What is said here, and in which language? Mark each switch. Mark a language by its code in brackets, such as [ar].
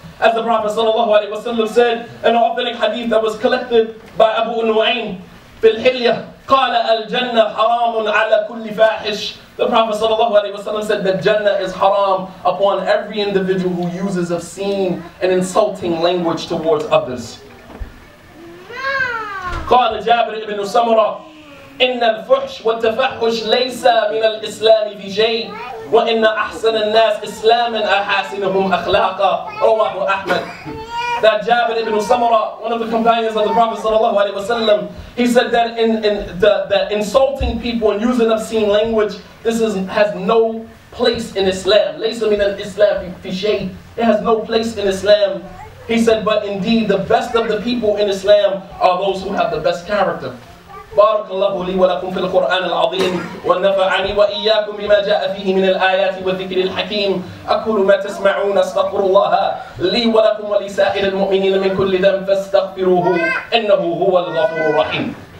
[en] As the Prophet sallallahu alaihi wasallam said, an authentic hadith that was collected by Abu Nu'aym fil hilya, [ar] qala al-jannah haramun ala kulli fahish. [en] The Prophet sallallahu alaihi wasallam said that Jannah is haram upon every individual who uses obscene and insulting language towards others. [ar] Qala Jabir ibn Samura, إن الفحش والتفحش ليس من الإسلام في شيء وإن أحسن الناس إسلاما أحاسنهم أخلاقا رواه أحمد. [en] That Jabir ibn Samura, one of the companions of the Prophet sallallahu alaihi wasallam, he said that in insulting people and using obscene language, this has no place in Islam. [ar] ليس من الإسلام في شيء, [en] it has no place in Islam. He said, but indeed the best of the people in Islam are those who have the best character. [ar] بارك الله لي ولكم في القرآن العظيم ونفعني وإياكم بما جاء فيه من الآيات والذكر الحكيم أكل ما تسمعون استغفر الله لي ولكم ولسائر المؤمنين من كل ذنب فاستغفروه إنه هو الغفور الرحيم.